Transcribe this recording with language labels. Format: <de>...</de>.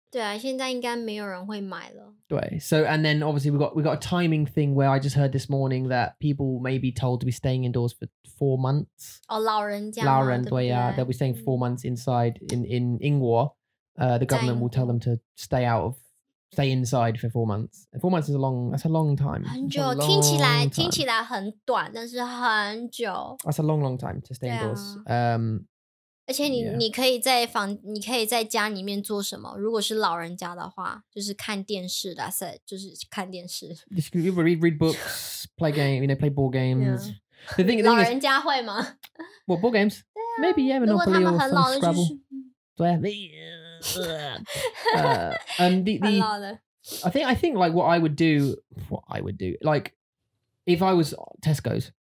<zh>对啊，现在应该没有人会买了。</zh> <en>对 ，so and then obviously we got a timing thing where I just heard this morning that people may be told to be staying indoors for 4 months.</en> <zh>哦，老人家。老人对呀、</zh> <en>啊、，they'll be staying 4 months inside in</en> <zh>英国。</zh> <en>The government will tell them to stay inside for 4 months. And 4 months is that's a long time.</en> <zh>很久，听起来很短，但是很久。</zh> <en>That's a long, long time to stay indoors.、</en> <zh>啊、而且你可以在房，你可以在家里面做什么？如果是老人家的话，就是看电视。</zh> <en>That's it，</en> <zh>就是看电视。</zh> <en>You can read books, play game, you know, play board games. Yeah. The thing, the thing is,</en> <zh>老人家会吗</zh> <en>？What board games? Yeah. Maybe yeah, Monopoly or some Scrabble.</en> <zh>对啊。</zh> <en>And the I think like what I would do like if I was Tesco's.</en>